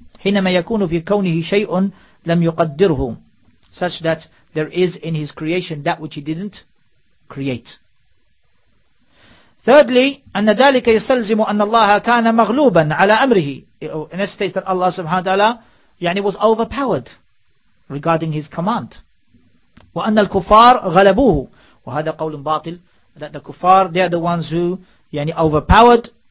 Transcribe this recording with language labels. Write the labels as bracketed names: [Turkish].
[Arabic] حينما يكون في كونه شيء لم يقدره, [English] such that there is in his creation that which he didn't create. [Arabic] Thirdly, أن ذلك يستلزم أن الله كان مغلوبا على أمره. [English] In this case, that Allah subhanahu wa ta'ala يعني was overpowered regarding his command. [Arabic] وأن الكفار غلبوه. وهذا قول باطل, [English] that the kuffar, they are the ones who يعني overpowered.